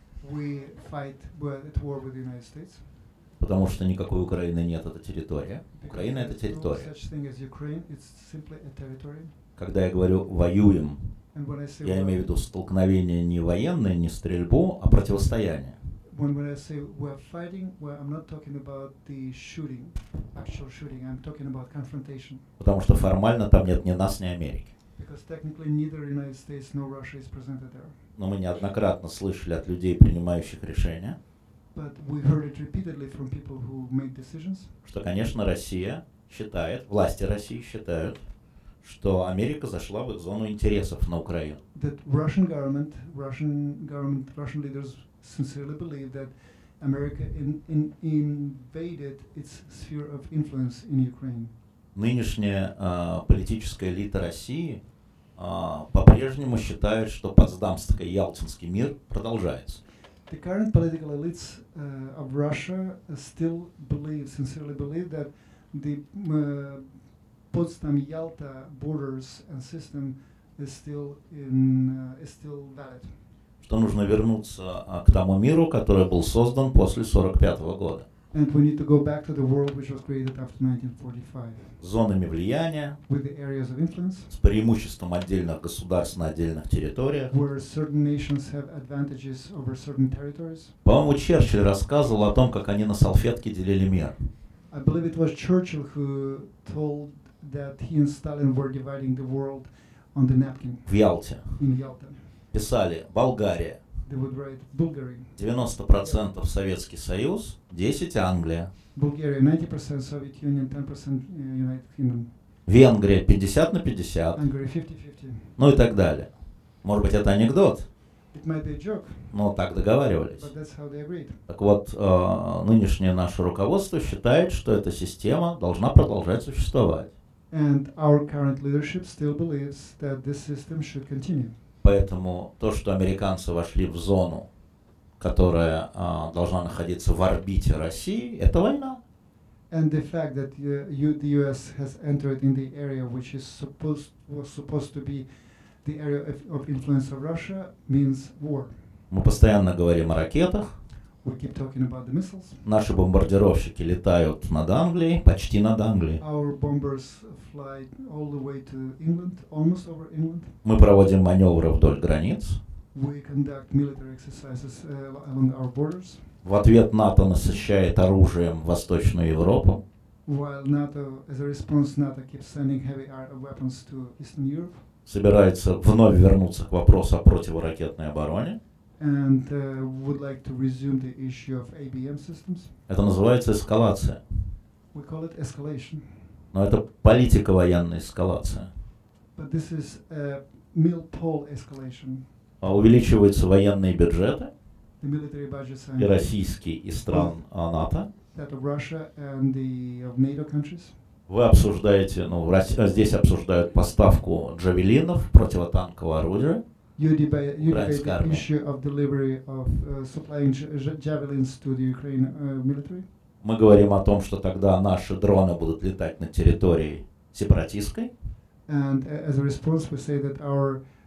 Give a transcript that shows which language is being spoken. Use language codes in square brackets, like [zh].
[en] We fight at war with the United States. [ru] Потому что никакой Украины нет, это территория. Украина – это территория. [en] No such thing as Ukraine. It's simply a territory. [ru] Когда я говорю «воюем», я имею в виду столкновение не военное, не стрельбу, а противостояние. [en] When I say we're fighting, well, I'm not talking about the shooting, actual shooting, I'm talking about confrontation. [ru] Потому что формально там нет ни нас, ни Америки. [en] Because technically neither United States nor Russia is presented there. [ru] Но мы неоднократно слышали от людей, принимающих решения, [en] but we heard it repeatedly from people who make decisions, [ru] что, конечно, Россия считает, власти России считают, что Америка зашла в их зону интересов на Украину. [en] That Russian government, Russian leaders sincerely believe that America invaded its sphere of influence in Ukraine. [ru] Нынешняя политическая элита России по-прежнему считают, что Потсдамский и Ялтинский мир продолжается. [en] The current political elites of Russia still believe, sincerely believe, that the Potsdam-Yalta borders and system is still valid. [ru] Что нужно вернуться к тому миру, который был создан после 45 года. [en] And we need to go back to the world which was created after 1945. [ru] Зонами влияния. [en] With the areas of influence. [ru] С преимуществом отдельных государств на отдельных территориях. [en] Where certain nations have advantages over certain territories. [ru] По-моему, Черчилль рассказывал о том, как они на салфетке делили мир. [en] I believe it was Churchill who told that he and Stalin were dividing the world on the napkin. [ru] В Ялте. [en] In Yalta. [ru] Писали Болгария. [en] They would write Bulgaria. [ru] 90% Советский Союз, 10% Англия. [en] Bulgaria 90% Soviet Union, 10% United Kingdom. [ru] Венгрия 50-50. [en] Hungary 50-50. [ru] Ну и так далее. Может быть, это анекдот? [en] It might be a joke. [ru] Но так договаривались. [en] But that's how they agreed. [ru] Так вот, нынешнее наше руководство считает, что эта система должна продолжать существовать. [en] And our current leadership still believes that this system should continue. [ru] Поэтому то, что американцы вошли в зону, которая должна находиться в орбите России, это война. [en] And the fact that the US has entered in the area which is was supposed to be the area of influence of Russia means war. [ru] Мы постоянно говорим о ракетах. [en] We keep talking about the missiles. [ru] Наши бомбардировщики летают над Англией, почти над Англией. [en] Our bombers fly all the way to England, almost over England. [ru] Мы проводим маневры вдоль границ. [en] we conduct military exercises along our borders. [ru] В ответ НАТО насыщает оружием Восточную Европу. [en] While NATO, as a response, NATO keeps sending heavy weapons to Eastern Europe. [ru] Собирается вновь вернуться к вопросу о противоракетной обороне. [en] And would like to resume the issue of ABM systems. [ru] Это называется эскалация. [en] We call it escalation. [ru] Но это политика военной эскалации. [en] But this is a mil-pol escalation. [ru] А увеличиваются военные бюджеты. [en] The military budgets and [ru] и российские, и стран НАТО. [en] That of Russia and the of NATO countries. [ru] Вы обсуждаете, ну, в России, здесь обсуждают поставку джавелинов, противотанкового оружия. [en] You debate the issue of delivery of supplying javelins to the Ukraine military. [ru] Мы говорим о том, что тогда наши дроны будут летать на территории сепаратистской. [en] And as a response, we say that our